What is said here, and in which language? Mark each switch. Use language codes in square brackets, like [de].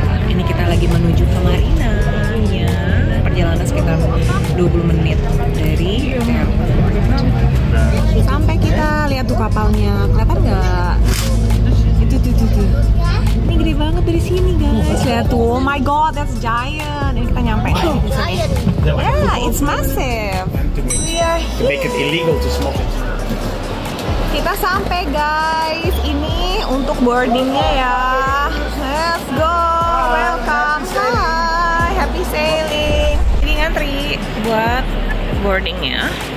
[id] Ini kita lagi menuju ke Marina ya. Perjalanan sekitar 20 menit dari airport. Sampai kita lihat tuh kapalnya, kelihatan nggak? Itu tuh. Ini gede banget dari sini, guys. Lihat tuh, [en] oh my god, that's giant. [id] Ini kita nyampe. Oh, [en] giant. Yeah, it's massive. We are here. To make it illegal to smoke it. [id] Kita sampai, guys. Ini untuk boardingnya ya. [en] Let's go. Welcome. Hi. Happy sailing. [id] Ini ngantri buat boardingnya.